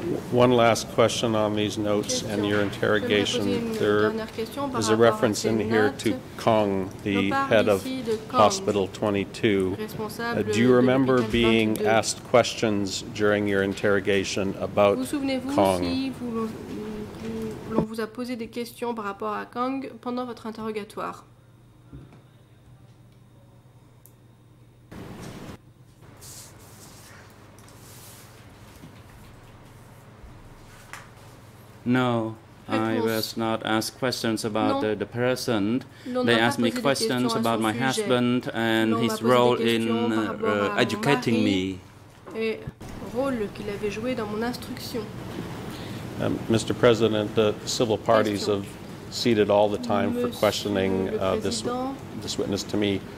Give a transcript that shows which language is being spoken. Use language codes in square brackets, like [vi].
[en] One last question on these notes and your interrogation. There is a reference in here to Kong, the head of Hospital 22. Do you remember being asked questions during your interrogation about Kong? [fr] L'on vous a posé des questions par rapport à Kong pendant votre interrogatoire. [en] No, I was not asked questions about the person. They asked me questions about my husband and his role in educating me. [fr] Et rôle qu'il avait joué dans mon instruction. [en] Mr. President, the civil parties have ceded all the time for questioning this witness to me.